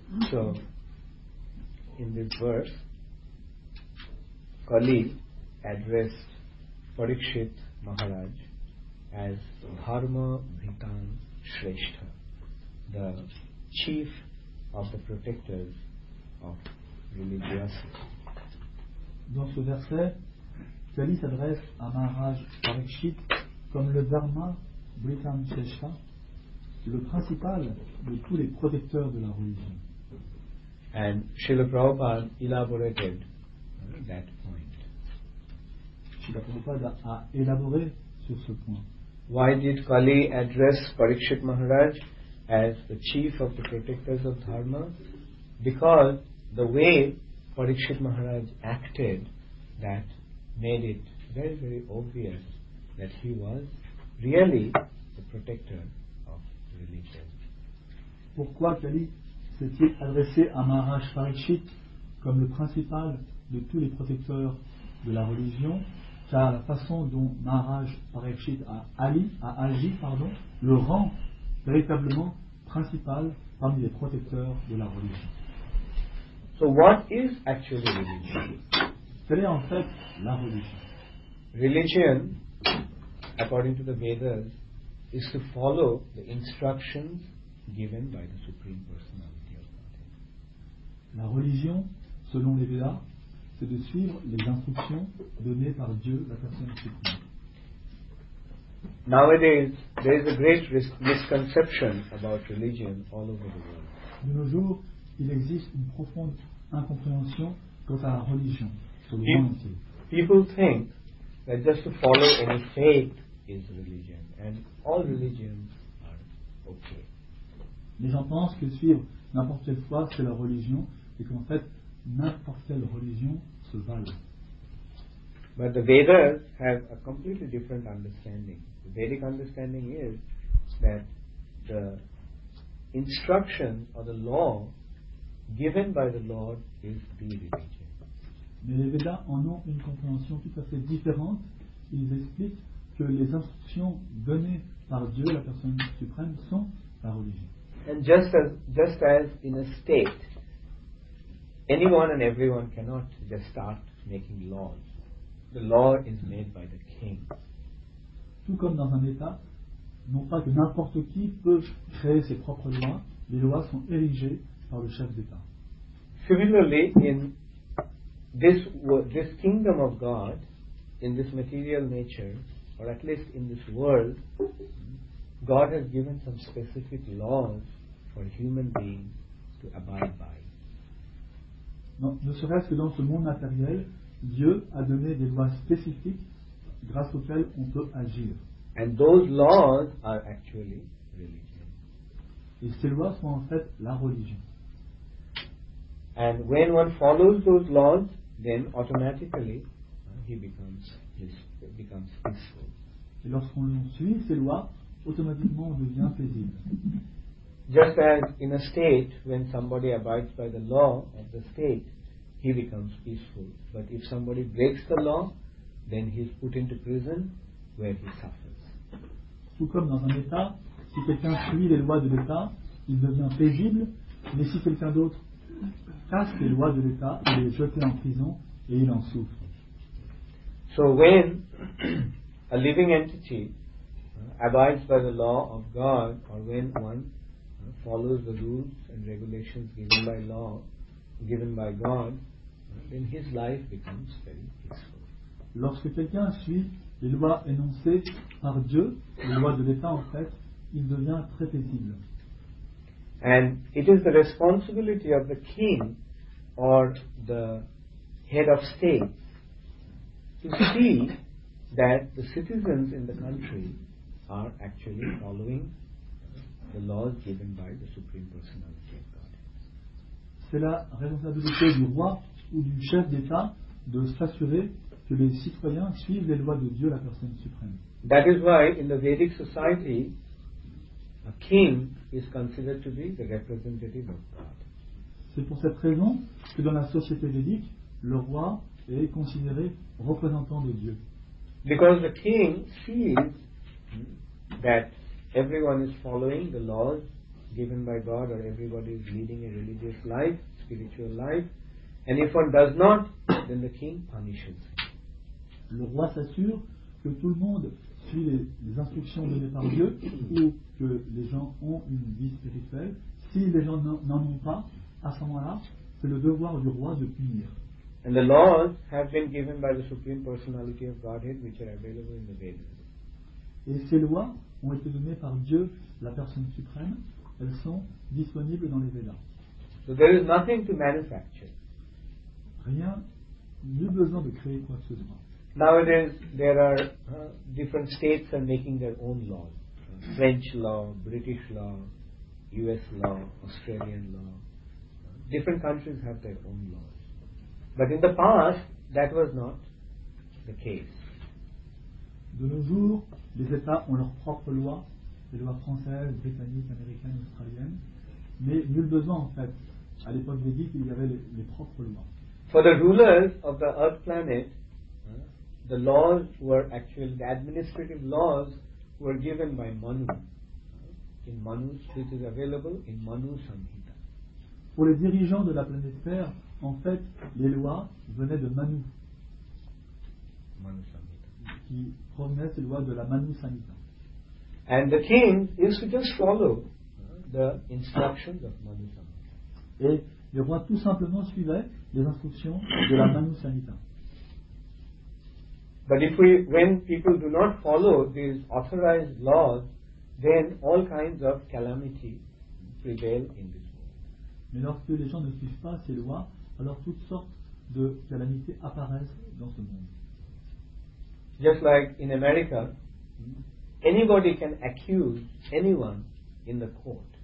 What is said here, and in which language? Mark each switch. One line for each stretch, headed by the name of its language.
English: So, in this verse, Kali addressed Parikshit Maharaj as Dharma Bhitan Shrestha, the chief of the protectors of religiosity.
French: Dans ce verset, Kali s'adresse à Maharaj Parikshit comme le Dharma Bhitan Shrestha, le principal de tous les protecteurs de la religion.
English: And Srila Prabhupada elaborated that point.
French: Srila Prabhupada a élaboré sur ce point.
English: Why did Kali address Parikshit Maharaj as the chief of the protectors of Dharma? Because the way Parikshit Maharaj acted, that made it very, very obvious that he was really the protector of religion.
French: Pourquoi Kali s'est-il adressé à Maharaj Parikshit comme le principal de tous les protecteurs de la religion, car la façon dont Maharaj Parikshit a agi, le rend véritablement principal parmi les protecteurs de la religion.
English: So what is actually religion?
French: Quelle est en fait la religion?
English: Religion, according to the Vedas, is to follow the instructions given by the Supreme Personality of Godhead.
French: La religion, selon les Vedas, c'est de suivre les instructions données par Dieu, la personne suprême.
English: Nowadays, there is a great misconception about religion all over the world.
French: De nos jours, il existe une profonde incompréhension quant à la religion sur le monde entier.
English: People think that just to follow any faith is religion, and all religions are okay.
French: Les gens pensent que suivre n'importe quelle foi c'est la religion, et qu'en fait n'importe quelle religion se vale.
English: But the Vedas have a completely different understanding. The Vedic understanding is that the instruction or the law given by the Lord is the religion.
French: Mais les Vedas en ont une compréhension tout à fait différente. Ils expliquent que les instructions données par Dieu, la personne suprême, sont la religion.
English: And just as in a state, anyone and everyone cannot just start making laws. The law is made by the king.
French: Tout comme dans un état, non pas que n'importe qui peut créer ses propres lois, les lois sont érigées par le chef d'état.
English: Similarly, in this kingdom of God, in this material nature, or at least in this world, God has given some specific laws for human beings to abide by.
French: Non, ne serait-ce que dans ce monde matériel, Dieu a donné des lois spécifiques grâce auxquelles on peut agir.
English: And those laws are actually religion.
French: Et ces lois sont en fait la religion.
English: And when one follows those laws, then automatically he becomes peaceful.
French: Et lorsqu'on suit ces lois, automatiquement on devient paisible.
English: Just as in a state, when somebody abides by the law of the state, he becomes peaceful. But if somebody breaks the law, then he is put into prison where he suffers.
French: Tout comme dans un état, si quelqu'un suit les lois de l'état, il devient paisible, mais si quelqu'un d'autre casse les lois de l'état, il est jeté en prison et il en souffre.
English: So when a living entity abides by the law of God, or when one follows the rules and regulations given by God, then his life becomes very peaceful.
French: Lorsque quelqu'un suit les lois énoncées par Dieu, les lois de l'État en fait, il devient très paisible.
English: And it is the responsibility of the king or the head of state to see that the citizens in the country are actually following the laws given by the Supreme Personality.
French: C'est la responsabilité du roi ou du chef d'État de s'assurer que les citoyens suivent les lois de Dieu, la personne suprême.
English: That is why in the Vedic society, a king is considered to be the representative of God.
French: C'est pour cette raison que dans la société védique, le roi est considéré représentant de Dieu.
English: Because the king sees that everyone is following the laws given by God, or everybody is leading a religious life, spiritual life, and if one does not, then the king punishes him.
French: Le roi s'assure que tout le monde suit les instructions données par Dieu, ou que les gens ont une vie spirituelle. Si les gens n'en ont pas, à ce moment-là, c'est le devoir du roi de punir.
English: And the laws have been given by the Supreme Personality of Godhead, which are available in the Vedas.
French: Et ces lois ont été données par Dieu, la personne suprême. Elles sont disponibles dans les Vedas.
English: So there is nothing to manufacture.
French: Rien, nul besoin de créer quoi que ce soit.
English: Nowadays, there are different states are making their own laws. French law, British law, US law, Australian law. Different countries have their own laws. But in the past, that was not the case.
French: De nos jours, les États ont leurs propres lois. Les lois françaises, britanniques, américaines, australiennes, mais nul besoin en fait. À l'époque védique, il y avait les propres lois.
English: For the rulers of the earth planet, the laws were actually the administrative laws were given by Manu. In Manu, which is available in Manu Samhita.
French: Pour les dirigeants de la planète Terre, en fait, les lois venaient de Manu. Manu Samhita. Qui provenaient ces lois de la Manu Samhita.
English: And the king is to just follow the instructions of Manu Samhita.
French: Et le roi tout simplement suivait les instructions de la Manu Samhita.
English: But if we, when people do not follow these authorized laws, then all kinds of calamity prevail in this world.
French: Mais lorsque les gens ne suivent pas ces lois, alors toutes sortes de calamités apparaissent dans ce monde.
English: Just like in America, anybody can accuse anyone in the court.